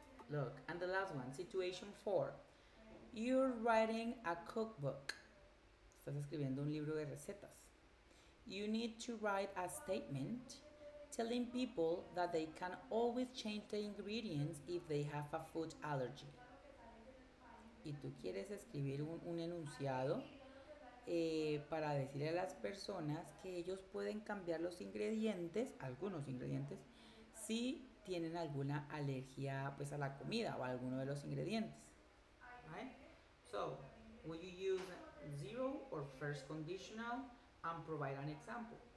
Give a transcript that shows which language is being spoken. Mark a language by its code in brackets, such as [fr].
[en] Look, and the last one, situation 4. You're writing a cookbook. [es] Estás escribiendo un libro de recetas. [en] You need to write a statement telling people that they can always change the ingredients if they have a food allergy. [es] Y tú quieres escribir un enunciado para decirle a las personas que ellos pueden cambiar los ingredientes, algunos ingredientes, si tienen alguna alergia pues a la comida o a alguno de los ingredientes. [en] Right? So, will you use zero or first conditional and provide an example?